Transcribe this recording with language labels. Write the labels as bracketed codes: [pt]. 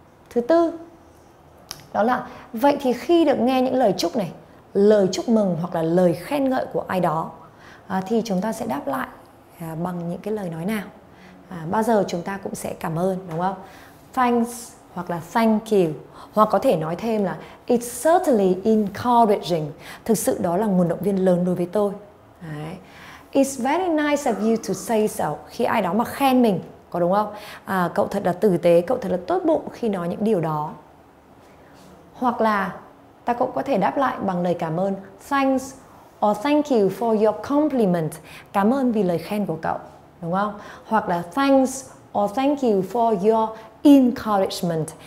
[vi] Thứ tư, đó là vậy thì khi được nghe những lời chúc này, lời chúc mừng hoặc là lời khen ngợi của ai đó, thì chúng ta sẽ đáp lại bằng những cái lời nói nào? Bao giờ chúng ta cũng sẽ cảm ơn, đúng không? [en] Thanks [vi] hoặc là [en] thank you. [vi] Hoặc có thể nói thêm là [en] it's certainly encouraging. [vi] Thực sự đó là nguồn động viên lớn đối với tôi. Đấy. [en] It's very nice of you to say so. [vi] Khi ai đó mà khen mình, có đúng không? Cậu thật là tử tế, cậu thật là tốt bụng khi nói những điều đó. Hoặc là ta cũng có thể đáp lại bằng lời cảm ơn. [en] Thanks or thank you for your compliment. [vi] Cảm ơn vì lời khen của cậu, đúng không? Hoặc là [en] thanks or thank you for your encouragement.